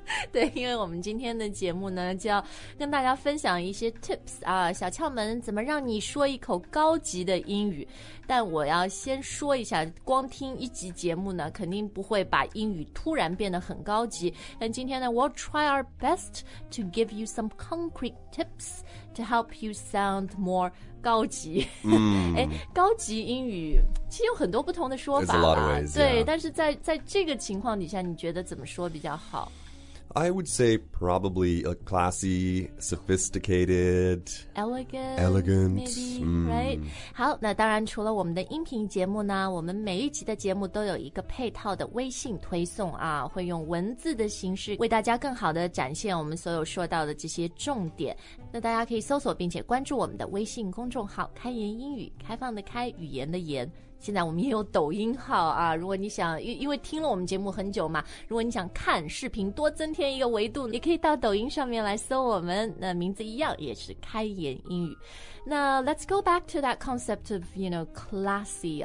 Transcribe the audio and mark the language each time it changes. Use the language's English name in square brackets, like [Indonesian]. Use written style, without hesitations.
[Chinese] 对，因为我们今天的节目呢，就要跟大家分享一些 tips 啊，小窍门，怎么让你说一口高级的英语。但我要先说一下，光听一集节目呢，肯定不会把英语突然变得很高级。但今天呢 [English] ，we'll try our best to give you some concrete tips to help you sound more [Chinese] 高级。高级英语其实有很多不同的说法吧。 [English] Ways, [Chinese] 对， [English] yeah. [Chinese] 但是在这个情况底下，你觉得怎么说比较好？ [English] I would say probably a classy, sophisticated, elegant, maybe, right? [Chinese] 好，那当然除了我们的音频节目呢，我们每一集的节目都有一个配套的微信推送啊，会用文字的形式为大家更好的展现我们所有说到的这些重点。那大家可以搜索并且关注我们的微信公众号“开言英语”，开放的开，语言的言。现在我们也有抖音号啊，如果你想因为听了我们节目很久嘛，如果你想看视频多增添一个维度，你可以到抖音上面来搜我们，那名字一样也是开言英语。那 [English] let's go back to that concept of, you know, classy,